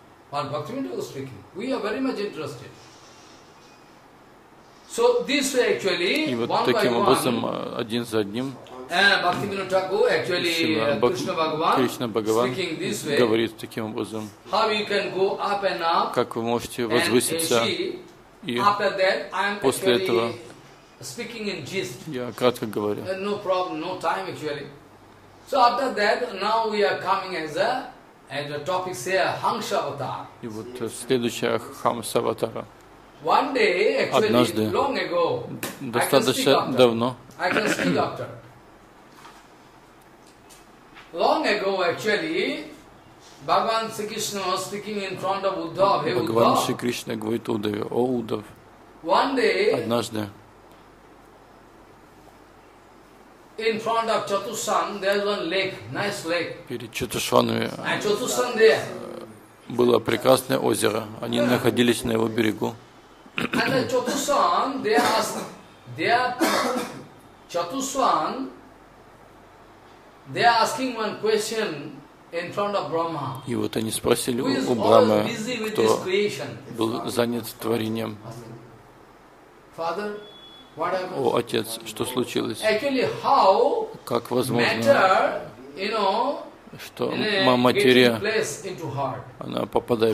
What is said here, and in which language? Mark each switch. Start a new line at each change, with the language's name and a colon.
English: What Bhaktivinoda was speaking, we are very much interested. So this way, actually, one by one.
Russian: И вот таким образом один за одним.
English: Bhaktivinoda Thakur, actually, Krishna Bhagavan, speaking this way.
Russian: Говорит таким образом.
English: How you can go up and up?
Russian: Как вы можете возвыситься?
English: И after that, I'm
Russian: после этого.
English: Speaking in gist.
Russian: Я кратко говорю.
English: No problem, no time actually. So after that, now we are coming as a. And the topic is Hamsavatara.
Russian: И вот следующая Хамсаватара.
English: One day, actually, long ago,
Russian: достаточно давно.
English: I can speak after. Long ago, actually, Bhagavan Sri Krishna was speaking in front of Uddhava.
Russian: Bhagavan Sri Krishna говорит Удаве, о Удав.
English: One day.
Russian: Однажды.
English: In front of Chatushan, there is one lake, nice lake.
Russian: Перед Чатушаной.
English: And Chatushan there.
Russian: Было прекрасное озеро. Они находились на его берегу.
English: And at Chatushan, they are asking one question in front of Brahma.
Russian: И вот они спросили у Брахмы, кто был занят творением.
English: Father.
Russian: О, отец, что случилось?
English: Actually, how
Russian: как возможно,
English: matter, you know,
Russian: что материя, она попадает